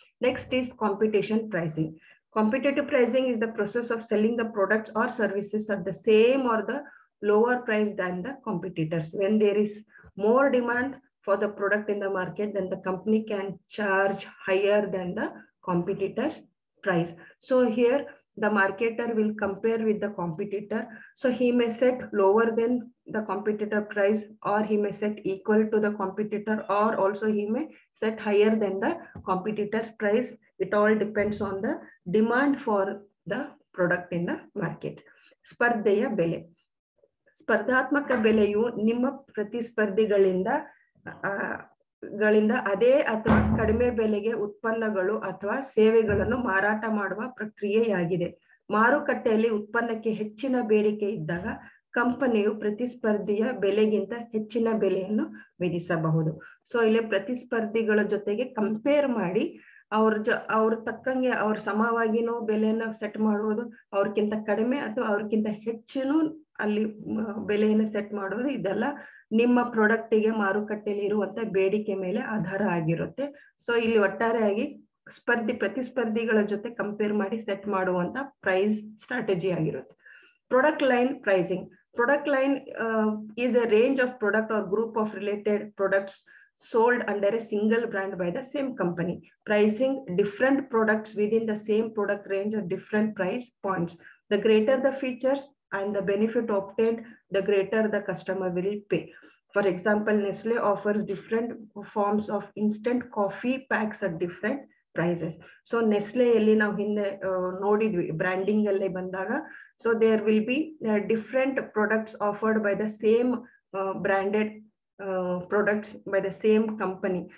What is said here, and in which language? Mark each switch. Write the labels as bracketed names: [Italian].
[English] Next is competition pricing. Competitive pricing is the process of selling the products or services at the same or the lower price than the competitors. When there is more demand for the product in the market then the company can charge higher than the competitors price. So here the marketer will compare with the competitor. So he may set lower than the competitor price, or he may set equal to the competitor, or also he may set higher than the competitor's price. It all depends on the demand for the product in the market. [Kannada] Spardheya bele. Spardhatmaka beleyu nimma pratispardhigalinda ಗಳಿಂದ ಅದೇ ಅಥವಾ ಕಡಿಮೆ ಬೆಲೆಗೆ ಉತ್ಪನ್ನಗಳು ಅಥವಾ ಸೇವೆಗಳನ್ನು ಮಾರಾಟ ಮಾಡುವ ಪ್ರಕ್ರಿಯೆಯಾಗಿದೆ. ಮಾರುಕಟ್ಟೆಯಲ್ಲಿ ಉತ್ಪನ್ನಕ್ಕೆ ಹೆಚ್ಚಿನ ಬೇಡಿಕೆ ಇದ್ದಾಗ ಕಂಪನಿಯು ಪ್ರತಿಸ್ಪರ್ಧಿಯ ಬೆಲೆಗಿಂತ ಹೆಚ್ಚಿನ ಬೆಲೆಯನ್ನು ವಿಧಿಸಬಹುದು. ಸೊ ಇಲ್ಲಿ ಪ್ರತಿಸ್ಪರ್ಧಿಗಳ ಜೊತೆಗೆ ಕಂಪೇರ್ ಮಾಡಿ ಅವ್ರ ತಕ್ಕಂಗೆ ಅವ್ರ ಸಮವಾಗಿನೂ ಬೆಲೆಯನ್ನು ಸೆಟ್ ಮಾಡುವುದು, ಅವ್ರಕ್ಕಿಂತ ಕಡಿಮೆ ಅಥವಾ ಅವ್ರಕ್ಕಿಂತ ಹೆಚ್ಚಿನ ಅಲ್ಲಿ ಬೆಲೆಯನ್ನು ಸೆಟ್ ಮಾಡುವುದು, ಇದೆಲ್ಲ ನಿಮ್ಮ ಪ್ರಾಡಕ್ಟಿಗೆ ಮಾರುಕಟ್ಟೆಯಲ್ಲಿ ಇರುವಂತಹ ಬೇಡಿಕೆ ಮೇಲೆ ಆಧಾರ ಆಗಿರುತ್ತೆ. ಸೊ ಇಲ್ಲಿ ಒಟ್ಟಾರೆಯಾಗಿ ಪ್ರತಿಸ್ಪರ್ಧಿಗಳ ಜೊತೆ ಕಂಪೇರ್ ಮಾಡಿ ಸೆಟ್ ಮಾಡುವಂತ ಪ್ರೈಸ್ ಸ್ಟ್ರಾಟಜಿ ಆಗಿರುತ್ತೆ. [English] Product line pricing. Product line is a range of product or group of related products sold under a single brand by the same company. Pricing different products within the same product range of different price points. The greater the features and the benefit obtained, the greater the customer will pay. For example, Nestle offers different forms of instant coffee packs at different prices. So Nestle [Kannada] alli now hinde nodidvi branding alle bandaga, [English] so there will be different products offered by the same branded products by the same company.